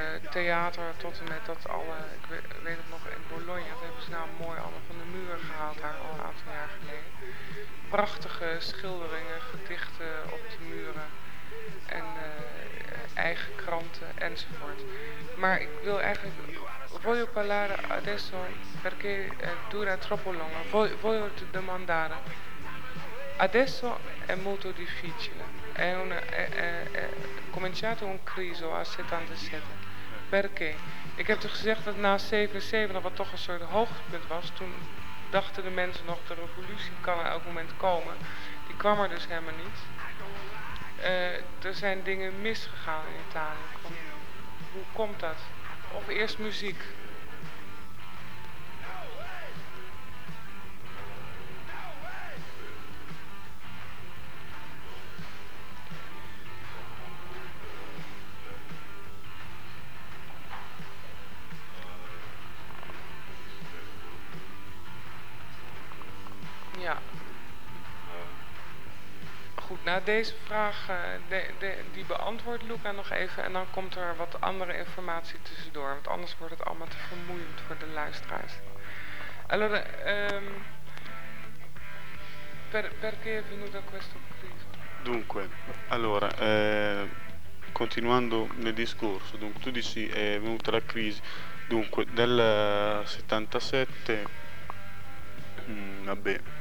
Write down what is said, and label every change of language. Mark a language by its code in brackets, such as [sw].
[nl] Theater tot en met dat alle, ik weet het nog, in Bologna, dat hebben ze nou mooi allemaal van de muren gehaald daar al een aantal jaar geleden. Prachtige schilderingen, gedichten op de muren en eigen kranten enzovoort. Maar ik wil eigenlijk, [it] voglio parlare adesso perché dura troppo lungo, voglio te domandare. Adesso è molto difficile, è cominciato un criso a 77. Perché? [nl] Ik heb toch gezegd dat na 77, wat toch een soort hoogtepunt was, toen dachten de mensen nog, de revolutie kan elk moment komen. Die kwam er dus helemaal niet. Er zijn dingen misgegaan in Italië. Hoe komt dat? Of eerst muziek. Nou, deze vraag die beantwoordt Luca nog even en dan komt er wat andere informatie tussendoor, want anders wordt het allemaal te vermoeiend voor de luisteraars. [it] Allora, perché è venuta questo crisi? Dunque, allora, continuando nel discorso, dunque, tu dici è venuta la crisi, dunque, del 77, vabbè.